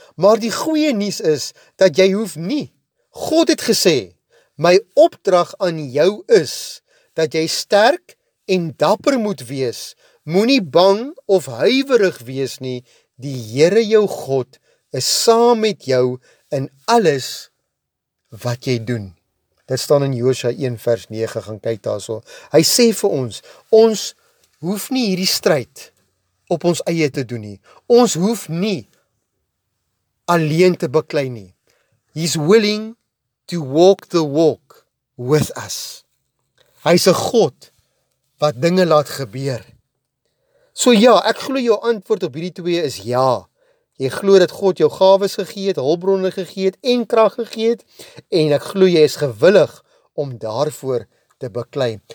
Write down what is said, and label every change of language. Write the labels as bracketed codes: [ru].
[af] Maar die goeie nuus is, dat jy hoef nie. God het gesê, my opdrag aan jou is, dat jy sterk en dapper moet wees, moenie bang of huiwerig wees nie, die Here jou God is saam met jou in alles wat jy doen. Dit staan in Josua 1 vers 9, gaan kyk daarso. Hy sê vir ons, ons hoef nie hierdie stryd op ons eie te doen nie. Ons hoef nie alleen te beklei nie. [en] He's willing to walk the walk with us. [af] Hy is 'n God wat dinge laat gebeur. So ja, ek glo jou antwoord op hierdie twee is ja. Jy glo dat God jou gawes gegee het, hulpbronne gegee het en krag gegee het en ek glo jy is gewillig om daarvoor te beklei.